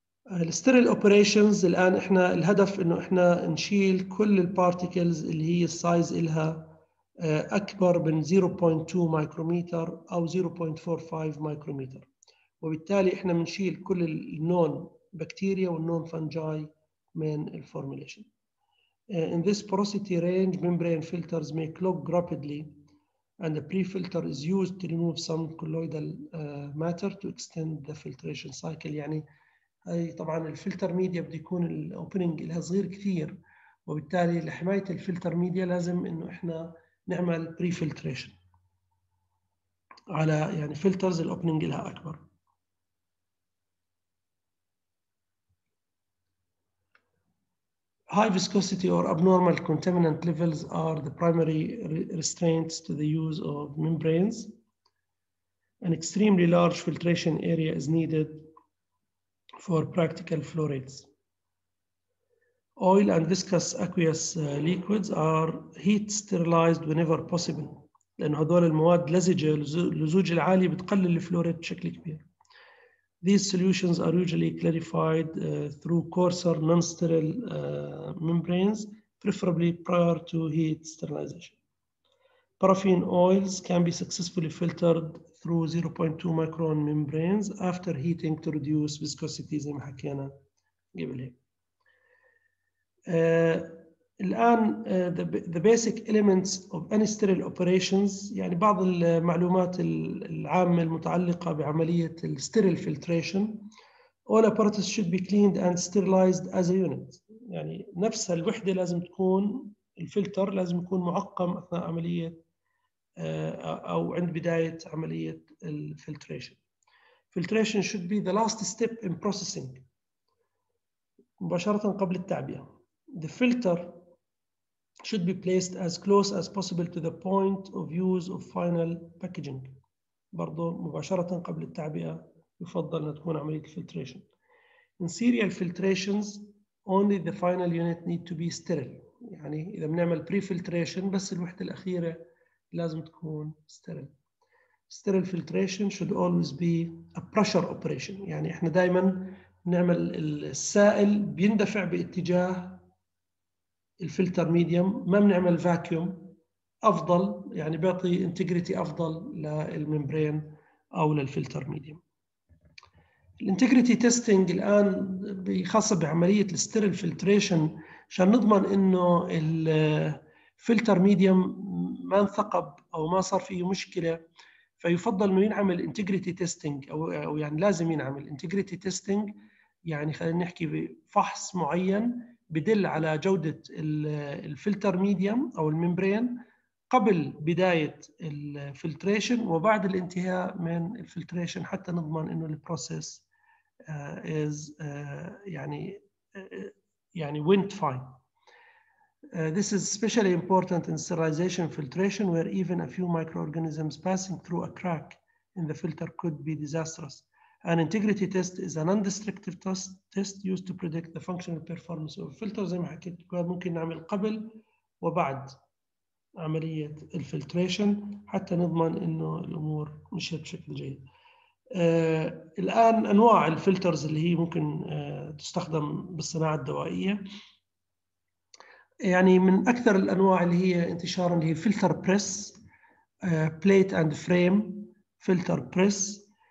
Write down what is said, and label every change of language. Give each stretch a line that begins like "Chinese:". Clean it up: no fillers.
Arabic: الستيريل اوبريشنز الان احنا الهدف انه احنا نشيل كل البارتيكلز اللي هي السايز لها اكبر من 0.2 مايكرومتر او 0.45 مايكرومتر، وبالتالي احنا بنشيل كل النون بكتيريا والنون فانجاي من الفورميليشن.
English: In this porosity range membrane filters may clog rapidly and the pre-filter is used to remove some colloidal matter to extend the filtration cycle.
Arabic: يعني هاي طبعا الفلتر ميديا بده يكون الاوبننج لها صغير كثير، وبالتالي لحمايه الفلتر ميديا لازم انه احنا نعمل بري فلتريشن على يعني فلترز الاوبننج لها اكبر.
English: High viscosity or abnormal contaminant levels are the primary restraints to the use of membranes. An extremely large filtration area is needed for practical flow rates. Oil and viscous aqueous liquids are heat sterilized whenever possible.
Arabic: لأن هذول المواد لزجة، اللزوج العالي بتقلل الفلو ريت بشكل كبير.
English: These solutions are usually clarified through coarser non-sterile membranes, preferably prior to heat sterilization. Paraffin oils can be successfully filtered through 0.2 micron membranes after heating to reduce viscosity.
Arabic: زي ما حكينا قبل هيك. الآن
English: the basic elements of any sterile operations،
Arabic: يعني بعض المعلومات العامة المتعلقة بعملية
English: sterile filtration. All apparatus should be cleaned and sterilized as a unit.
Arabic: يعني نفس الوحدة لازم تكون الفلتر لازم يكون معقم أثناء عملية أو عند بداية عملية الفلتريشن.
English: Filtration should be the last step in processing.
Arabic: مباشرة قبل التعبئة.
English: The filter should be placed as close as possible to the point of use of final packaging.
Arabic: برضو مباشرة قبل التعبئة يفضل أن تكون عملية الفلتريشن.
English: In serial filtrations only the final unit need to be sterile.
Arabic: يعني إذا بنعمل pre-filtration بس الوحدة الأخيرة لازم تكون sterile.
English: Sterile filtration should always be a pressure operation.
Arabic: يعني احنا دائما بنعمل السائل بيندفع باتجاه الفلتر ميديوم، ما بنعمل فاكيوم، افضل يعني بيعطي انتجريتي افضل للممبرين او للفلتر ميديوم. الانتجريتي تيستينج الان خاصه بعمليه الستيريل فلتريشن عشان نضمن انه الفلتر ميديوم ما ما انثقب او ما صار فيه مشكله، فيفضل انه ينعمل انتجريتي تيستينج، او يعني لازم ينعمل انتجريتي تيستينج، يعني خلينا نحكي بفحص معين بدل على جوده الفلتر ميديوم او الممبرين قبل بدايه الفلتريشن وبعد الانتهاء من الفلتريشن، حتى نضمن انه البروسيس از يعني
English: went fine. This is especially important in sterilization filtration, where even a few microorganisms passing through a crack in the filter could be disastrous. An integrity test is a non-destructive test used to predict the functional performance of a filter.
Arabic: زي ما حكيت ممكن نعمل قبل وبعد عملية الفلتريشن حتى نضمن إنه الأمور مشيت بشكل جيد. الآن أنواع الفلترز اللي هي ممكن تستخدم بالصناعة الدوائية، يعني من أكثر الأنواع اللي هي انتشاراً اللي هي فلتر بريس، بليت أند فريم فلتر بريس.